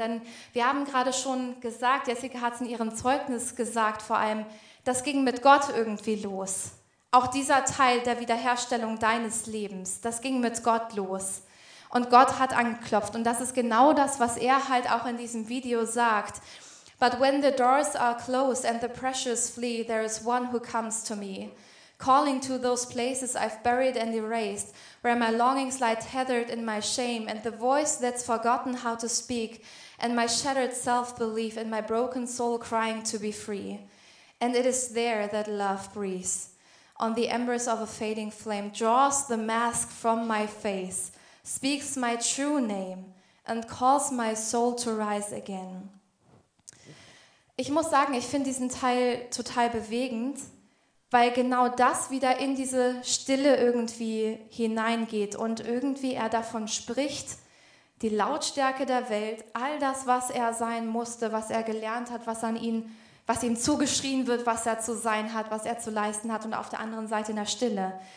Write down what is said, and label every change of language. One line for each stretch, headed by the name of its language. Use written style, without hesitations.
German: Denn wir haben gerade schon gesagt, Jessica hat es in ihrem Zeugnis gesagt, vor allem, das ging mit Gott irgendwie los. Auch dieser Teil der Wiederherstellung deines Lebens, das ging mit Gott los. Und Gott hat angeklopft und das ist genau das, was er halt auch in diesem Video sagt.
English: But when the doors are closed and the pressures flee, there is one who comes to me, calling to those places I've buried and erased, where my longings lie tethered in my shame, and the voice that's forgotten how to speak, and my shattered self-belief, and my broken soul crying to be free. And it is there that love breathes, on the embers of a fading flame, draws the mask from my face, speaks my true name, and calls my soul to rise again.
German: Ich muss sagen, ich finde diesen Teil total bewegend, weil genau das wieder in diese Stille irgendwie hineingeht und irgendwie er davon spricht, die Lautstärke der Welt, all das, was er sein musste, was er gelernt hat, was ihm zugeschrien wird, was er zu sein hat, was er zu leisten hat und auf der anderen Seite in der Stille.